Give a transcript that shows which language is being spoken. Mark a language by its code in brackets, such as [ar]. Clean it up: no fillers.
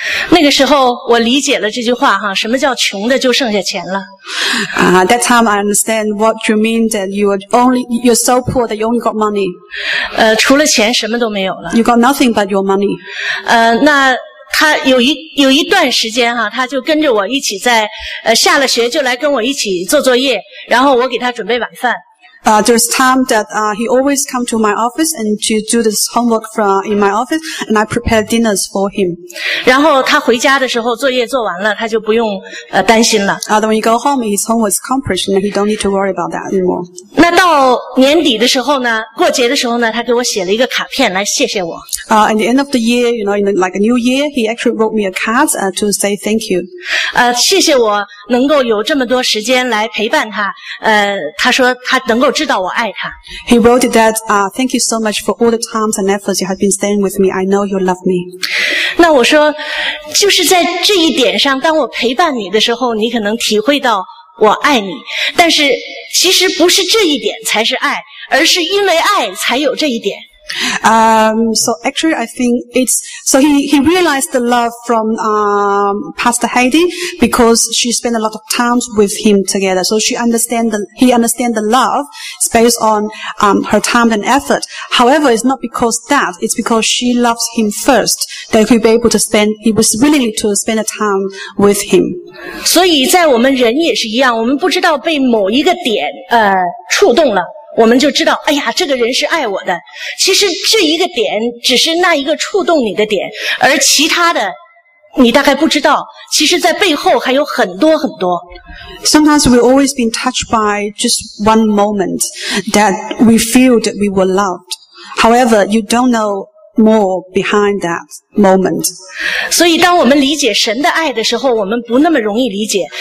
[zh] 那个时候我理解了这句话哈，什么叫穷的就剩下钱了。 [en] That time I understand what you mean that you're so poor that you only got money. [zh] 除了钱什么都没有了。 [en] You got nothing but your money. [zh] 那他有一段时间哈，他就跟着我一起在下了学就来跟我一起做作业，然后我给他准备晚饭。 [en] There's time that he always come to my office and to do this homework in my office, and I prepare dinners for him. [zh] 然后他回家的时候作业做完了，他就不用担心了。 [en] Then when he go home, his homework is accomplished, and he don't need to worry about that anymore. [zh] 那到年底的时候呢，过节的时候呢，他给我写了一个卡片来谢谢我。 [en] At the end of the year, you know, like a new year, he actually wrote me a card to say thank you. [zh] 谢谢我能够有这么多时间来陪伴他。他说他能够知道我爱他。 [en] He wrote that, thank you so much for all the times and efforts you have been staying with me. I know you love me. [zh] 那我说，就是在这一点上，当我陪伴你的时候，你可能体会到我爱你。但是，其实不是这一点才是爱，而是因为爱才有这一点。 [en] So actually, I think it's so he realized the love from Pastor Heidi because she spent a lot of times with him together. So he understand the love based on her time and effort. However, it's not because that; it's because she loves him first that he'd be able to spend. He was willing to spend a time with him. [zh] 所以在我们人也是一样，我们不知道被某一个点触动了。我们就知道，哎呀，这个人是爱我的。其实这一个点只是那一个触动你的点，而其他的你大概不知道，其实在背后还有很多很多。 [en] Sometimes we've always been touched by just one moment that we feel that we were loved. However, you don't know more behind that moment. [zh] 所以当我们理解神的爱的时候，我们不那么容易理解。